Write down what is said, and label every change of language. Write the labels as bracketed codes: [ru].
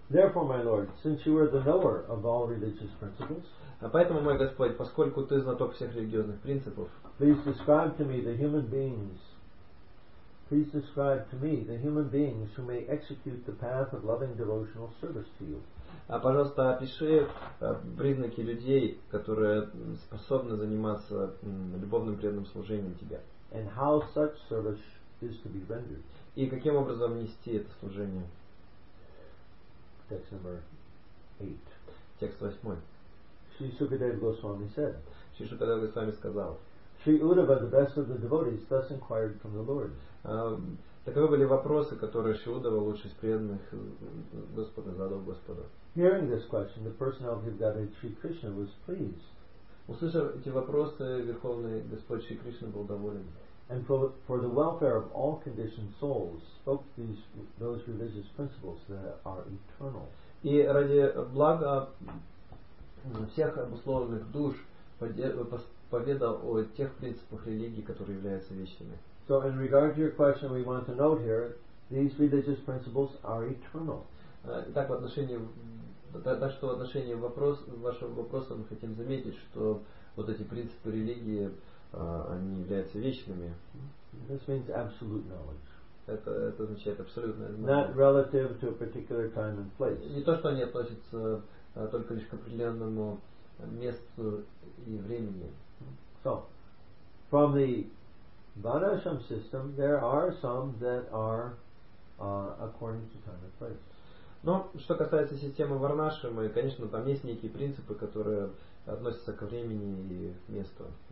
[en] Therefore, my Lord, since you are the knower of all religious principles, [ru] поэтому, мой Господь, поскольку ты знаток всех религиозных принципов, [en] please describe to me the human beings. Please describe to me the human beings who may execute the path of loving devotional service to you. [ru] Пожалуйста, опиши признаки людей, которые способны заниматься любовным преданным служением тебе. [en] And how such service is to be rendered? [ru] И каким образом нести это служение? [en] Text number 8. [ru] Текст 8. [en] Shri Sukadeva Goswami said. [ru] Shri Sukadeva Goswami сказал. [en] Shri Uddhava, the best of the devotees, thus inquired from the Lord. [ru] Таковы были вопросы, которые Shri Uddhava, лучший из преданных Господа, задал Господу. [en] Hearing this question, the personality of Godhead Shri Krishna was pleased. [ru] Услышав эти вопросы, Верховный Господь Шри Кришна был доволен. [en] And for the welfare of all conditioned souls, spoke those religious principles that are eternal. [ru] И ради блага всех обусловленных душ поведал о тех принципах религии, которые являются вечными. [en] So in regard to your question, we want to note here, these religious principles are eternal. [ru] Итак, в отношении вашего вопроса мы хотим заметить, что вот эти принципы религии, они являются вечными. [en] This means absolute knowledge. [ru] Это означает абсолютное знание. [en] Not relative to a particular time and place. [ru] Не то, что они относятся только лишь к определенному месту и времени. [en] So, from the Vanasham system, there are some that are according to time and place. [ru] Но что касается системы Варнашрамы, конечно, там есть некие принципы, которые относятся ко времени и месту.